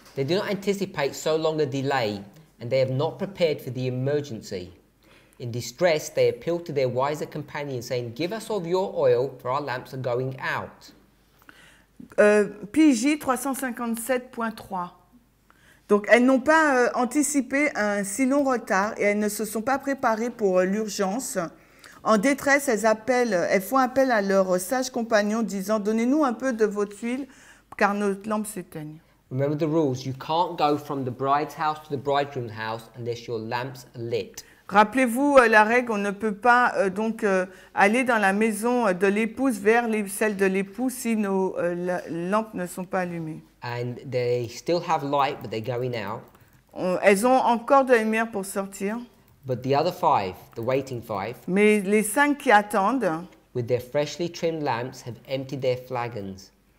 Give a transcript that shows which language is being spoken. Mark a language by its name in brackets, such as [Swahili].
[English] They do not anticipate so long a delay. And they have not prepared for the emergency. In distress, they appeal to their wiser companion, saying, give us of your oil, for our lamps are going out. PJ 357.3. [French] Donc, elles n'ont pas anticipé un si long retard et elles ne se sont pas préparées pour l'urgence. En détresse, elles font appel à leur sage compagnon, disant, donnez-nous un peu de votre huile, car notre lampe s'éteigne. [English] Remember the rules. You can't go from the bride's house to the bridegroom's house unless your lamps are lit. [French] Rappelez-vous la règle. On ne peut pas donc aller dans la maison de l'épouse vers celle de l'époux si nos lampes ne sont pas allumées. [English] And they still have light, but they're going out. [French] Elles ont encore de la lumière pour sortir. [English] But the other five, the waiting five. [French] Mais les cinq qui attendent. [English] With their freshly trimmed lamps, have emptied their flagons.